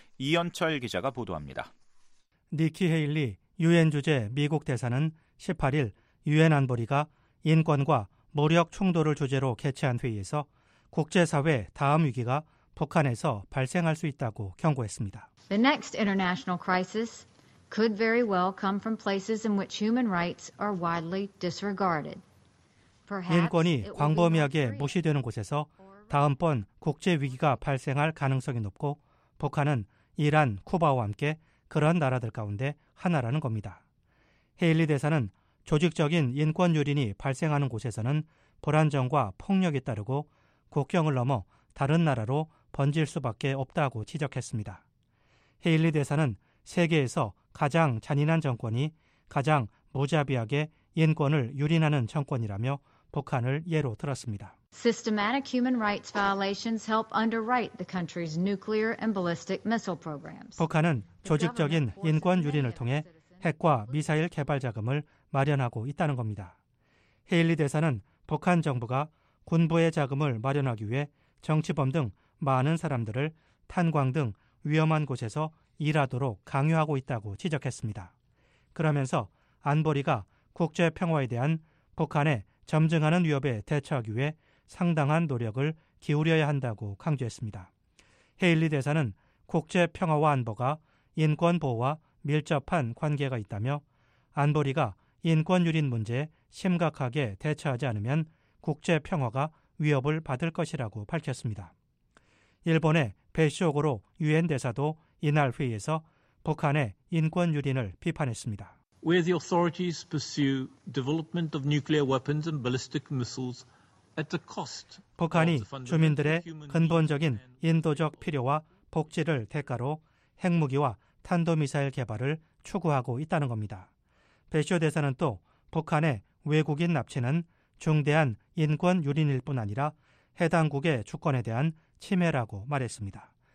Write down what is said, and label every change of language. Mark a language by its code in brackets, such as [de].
[ko] 이현철 기자가 보도합니다. 니키 헤일리 유엔 주재 미국 대사는 18일 유엔 안보리가 인권과 무력 충돌을 주제로 개최한 회의에서 국제사회 다음 위기가 북한에서 발생할 수 있다고 경고했습니다. [en] The next international crisis could very well come from places in which human rights are widely disregarded. [ko] 인권이 광범위하게 무시되는 곳에서 다음번 국제 위기가 발생할 가능성이 높고 북한은 이란, 쿠바와 함께 그런 나라들 가운데 하나라는 겁니다. 헤일리 대사는 조직적인 인권 유린이 발생하는 곳에서는 불안정과 폭력이 따르고 국경을 넘어 다른 나라로 번질 수밖에 없다고 지적했습니다. 헤일리 대사는 세계에서 가장 잔인한 정권이 가장 무자비하게 인권을 유린하는 정권이라며 북한을 예로 들었습니다. [en] Systematic human rights violations help underwrite the country's nuclear and ballistic missile programs. [ko] 북한은 조직적인 인권 유린을 통해 핵과 미사일 개발 자금을 마련하고 있다는 겁니다. 헤일리 대사는 북한 정부가 군부의 자금을 마련하기 위해 정치범 등 많은 사람들을 탄광 등 위험한 곳에서 일하도록 강요하고 있다고 지적했습니다. 그러면서 안보리가 국제 평화에 대한 북한의 점증하는 위협에 대처하기 위해 상당한 노력을 기울여야 한다고 강조했습니다. 헤일리 대사는 국제 평화와 안보가 인권 보호와 밀접한 관계가 있다며 안보리가 인권 유린 문제에 심각하게 대처하지 않으면 국제 평화가 위협을 받을 것이라고 밝혔습니다. 일본의 베시오고로 유엔 대사도 이날 회의에서 북한의 인권 유린을 비판했습니다. [en] Where the authorities pursue development of nuclear weapons and ballistic missiles at the cost. [ko] 북한이 주민들의 근본적인 인도적 필요와 복지를 대가로 핵무기와 탄도미사일 개발을 추구하고 있다는 겁니다. 베시오 대사는 또 북한의 외국인 납치는 중대한 인권 유린일 뿐 아니라 해당국의 주권에 대한 침해라고 말했습니다.